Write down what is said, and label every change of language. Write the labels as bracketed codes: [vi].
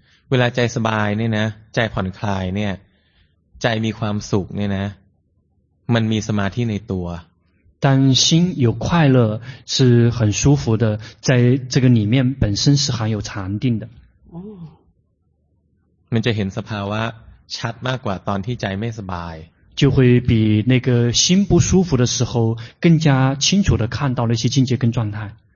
[th] เวลาใจสบายเนี่ยนะใจผ่อนคลายเนี่ยใจมีความสุขเนี่ยนะมันมีสมาธิในตัว [zh] 但心有快乐是很舒服的在这个里面本身是含有禅定的 [th] มันจะเห็นสภาวะชัดมากกว่าตอนที่ใจไม่สบาย [zh] 就会比那个心不舒服的时候更加清楚地看到那些境界跟状态